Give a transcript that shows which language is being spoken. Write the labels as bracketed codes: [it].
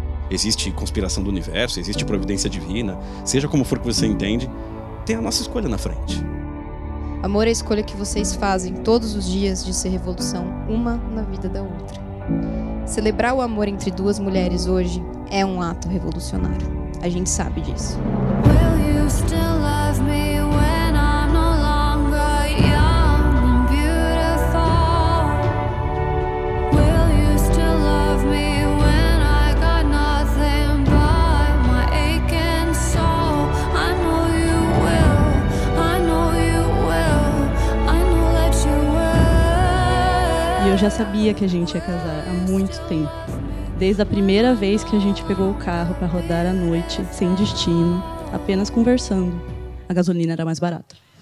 [pt] Existe conspiração do universo, existe providência divina. Seja como for que você entende, tem a nossa escolha na frente. Amor é a escolha que vocês fazem todos os dias de ser revolução uma na vida da outra. Celebrar o amor entre duas mulheres hoje é um ato revolucionário. A gente sabe disso. [en] Will you still love me when I'm no longer young and beautiful? Will you still love me when I got nothing but my aching soul? I know you will, I know you will, I know that you will. [pt] E eu já sabia que a gente ia casar. Muito tempo. Desde a primeira vez que a gente pegou o carro para rodar à noite, sem destino, apenas conversando. A gasolina era mais barata.